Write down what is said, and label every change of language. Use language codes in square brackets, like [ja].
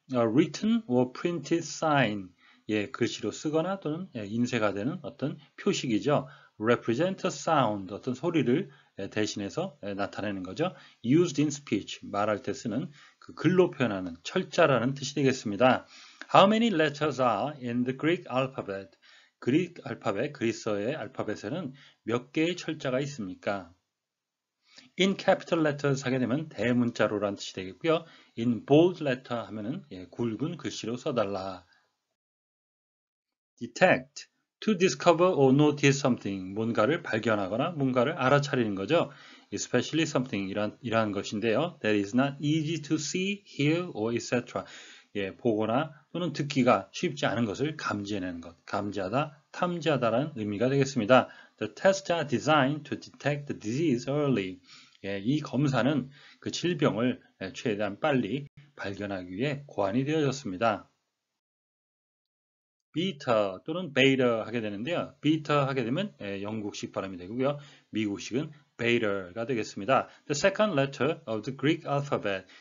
[en] written or printed sign. [ko] 예, 글씨로 쓰거나 또는 인쇄가 되는 어떤 표식이죠. [en] represent a sound. [ko] 어떤 소리를 대신해서 나타내는 거죠. [en] used in speech. [ko] 말할 때 쓰는 그 글로 표현하는 철자라는 뜻이 되겠습니다. [en] How many letters are in the Greek alphabet? [ko] 그리스 알파벳, 그리스어의 알파벳에는 몇 개의 철자가 있습니까? [en] In capital letters [ko] 하게 되면 대문자로라는 뜻이 되겠고요. [en] In bold letter [ko] 하면은 굵은 글씨로 써달라. [en] Detect, to discover or notice something, [ko] 뭔가를 발견하거나 뭔가를 알아차리는 거죠. [en] Especially something [ko] 이러한 것인데요. [en] That is not easy to see, hear, or etc. [ko] 예, 보거나 또는 듣기가 쉽지 않은 것을 감지해내는 것, 감지하다, 탐지하다라는 의미가 되겠습니다. [en] The tests are designed to detect the disease early. [ko] 예, 이 검사는 그 질병을 최대한 빨리 발견하기 위해 고안이 되어졌습니다. Beta 또는 beta 하게 되는데요. Beta 하게 되면 영국식 발음이 되고요. 미국식은 beta가 되겠습니다. [en] The second letter of the Greek alphabet.